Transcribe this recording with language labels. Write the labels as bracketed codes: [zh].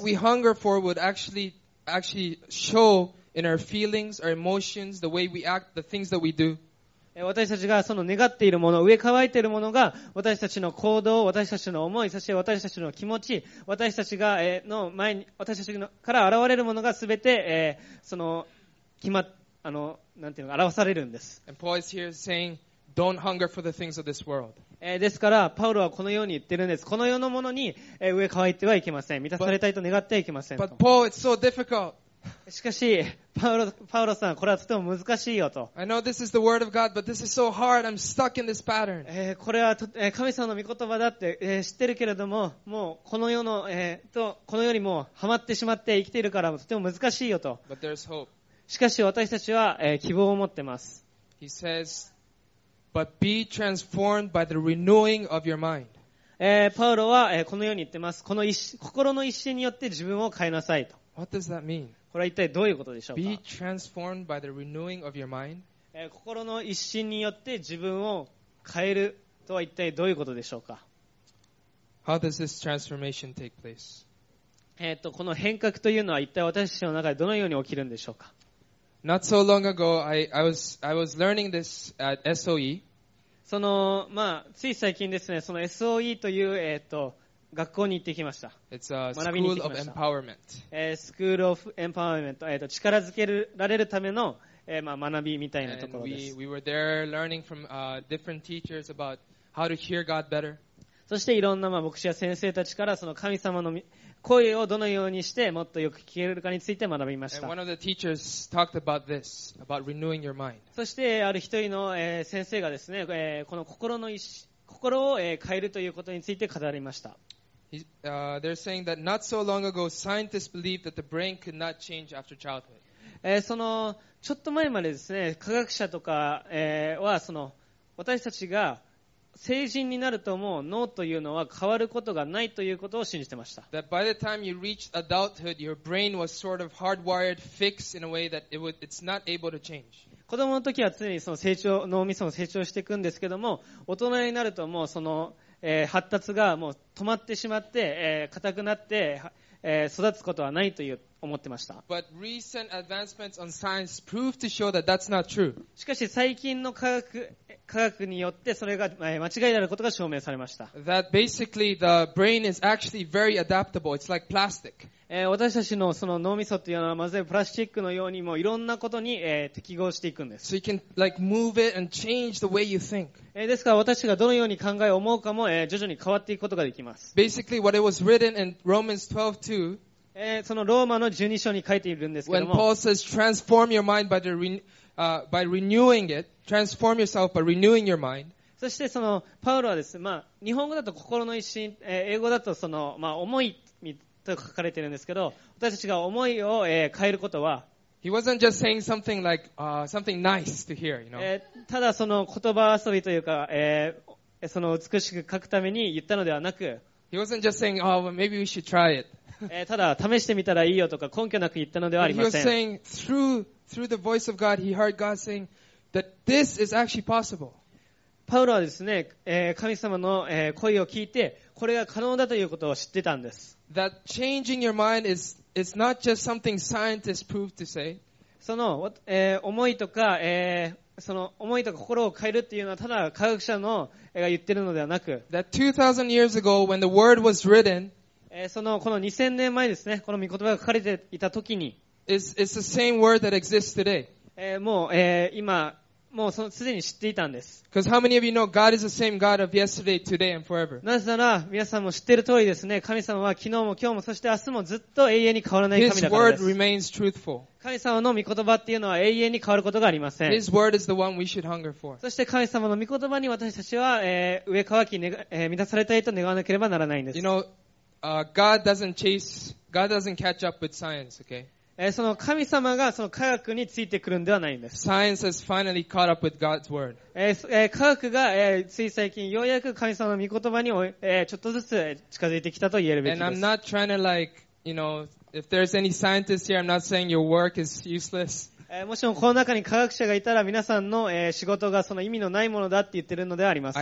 [en] What we hunger for would actually show in our feelings, our emotions, the way we act, the things that we do. [ja] 私たちがその願っているもの、植え替えているものが私たちの行動、私たちの思い、そして私たちの気持ち、私たちがの前に私たちのから現れるものがすべてその決まあのなんていうのか表されるんです。 [en] And Paul is here saying, "Don't hunger for the things of this world." [ja] ですからパウロはこのように言ってるんです。この世のものに植え替えてはいけません。満たされたいと願ってはいけませんと。 [en] But Paul, it's so difficult. [ja] しかしパウロさん、これはとても難しいよと。 [en] I know this is the word of God, but this is so hard. I'm stuck in this pattern. [ja] これは神様の御言葉だって知ってるけれども、もうこの世のとこの世にもハマってしまって生きているからとても難しいよと。 [en] But there's hope. [ja] しかし私たちは希望を持ってます。 [en] He says. But be transformed by the renewing of your mind. [ja] パウロはこのように言ってます。この心の一新によって自分を変えなさいと。 [en] What does that mean? [ja] これは一体どういうことでしょうか。 [en] Be transformed by the renewing of your mind. [ja] 心の一新によって自分を変えるとは一体どういうことでしょうか。 [en] How does this transformation take place? [ja] この変革というのは一体私たちの中でどのように起きるんでしょうか。 [en] Not so long ago, I was learning this at SOE. [ja] その、つい最近ですね、その SOE という、学校に行ってきました。 [en] It's a school of empowerment. School of empowerment. [ja] 力づけられるための、学びみたいなところです。 [en] And we were there learning from, different teachers about how to hear God better. [ja] そしていろんな、牧師や先生たちから、その神様の声をどのようにしてもっとよく聞けるかについて学びました。 [en] And one of the teachers talked about this, about renewing your mind. [ja] そしてある一人の先生がですね、この心を変えるということについて語りました。 [en] They're saying that not so long ago, scientists believed that the brain could not change after childhood. [ja] そのちょっと前までですね、科学者とかはその私たちが成人になるともう脳というのは変わることがないということを信じてました。 [en] That by the time you reached adulthood, your brain was sort of hardwired, fixed in a way that it's not able to change. [ja] 子供の時は常にその成長、脳みそも成長していくんですけども、大人になるともうその、発達がもう止まってしまって、硬くなって、育つことはないという思ってました。 [en] But recent advancements on science prove to show that that's not true. [ja] しかし最近の科学によってそれが間違いであることが証明されました。 [en] That basically the brain is actually very adaptable. It's like plastic. [ja] 私たち の, その脳みそというのはまずプラスチックのようにもいろんなことに、適合していくんです。 [en] So you can, like, move it and change the way you think. [ja] ですから私たちがどのように考えを思うかも、徐々に変わっていくことができます。 [en] Basically, what it was written in Romans 12:2 [ja] そのローマの12章に書いているんですけども、 [en] When Paul says, transform your mind by, the by renewing it, transform yourself by renewing your mind. [ja] そしてそのパウロはですね、まあ日本語だと心の一心、英語だとそのまあ思いと書かれているんですけど、私たちが思いを変えることは、 [en] He wasn't just saying something like something nice to hear, you know. [ja] ただその言葉遊びというか、その美しく書くために言ったのではなく、 [en] He wasn't just saying, oh, maybe we should try it. [ja] ただ試してみたらいいよとか根拠なく言ったのではありません。 [en] He was saying through the voice of God, he heard God saying that this is actually possible. [ja] パウロはですね、神様の声を聞いて、これが可能だということを知ってたんです。 [en] That changing your mind is not just something scientists proved to say. [ja] その、思いとか、その思いとか心を変えるっていうのは、ただ科学者の、が言ってるのではなく、 [en] That 2000 years ago when the word was written, [ja] その、この2000年前ですね、この御言葉が書かれていた時に、 [en] It's the same word that exists today. [ja] もう、今、もうすでに知っていたんです。 [en] Because how many of you know God is the same God of yesterday, today, and forever? [ja] なぜなら皆さんも知っている通りですね、神様は昨日も今日もそして明日もずっと永遠に変わらない神だからです。 [en] His word remains truthful. [ja] 神様の御言葉っていうのは永遠に変わることがありません。 [en] His word is the one we should hunger for. [ja] そして神様の御言葉に私たちは、飢え渇き、満たされたいと願わなければならないんです。 [en] You know, God doesn't catch up with science, okay? [ja] その神様がその科学についてくるんではないんです。 [en] Science has finally caught up with God's word. [ja] 科学がつい最近ようやく神様の御言葉にちょっとずつ近づいてきたと言えるべきです。 [en] And I'm not trying to like, you know, if there's any scientists here, I'm not saying your work is useless. [ja] もしもこの中に科学者がいたら皆さんの仕事がその意味のないものだって言ってるのではありません。